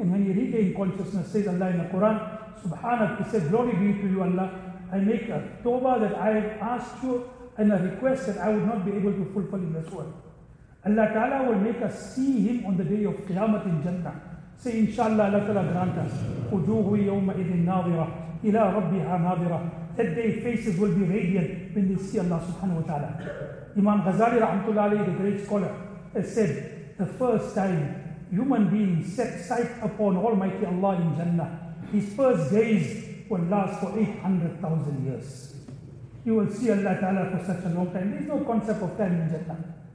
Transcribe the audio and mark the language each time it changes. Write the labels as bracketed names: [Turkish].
[English] And when he regained consciousness, says Allah in the Quran, Subhanak, he said, glory be to you Allah. I make a tawbah that I have asked you and a request that I would not be able to fulfill in this world. Allah Ta'ala will make us see Him on the day of Qiyamah in Jannah. Say, inshallah, Allah Ta'ala grant us. [Arabic] وجوه يوم إذن ناظرة إلى ربها ناظرة. [English] That day faces will be radiant when they see Allah subhanahu wa ta'ala. Imam Ghazali rahmatullah alayhi, the great scholar, has said, the first time human being set sight upon Almighty Allah in Jannah, his first gaze will last for 800,000 years. You will see Allah ta'ala for such a long time. There is no concept of time in Jannah.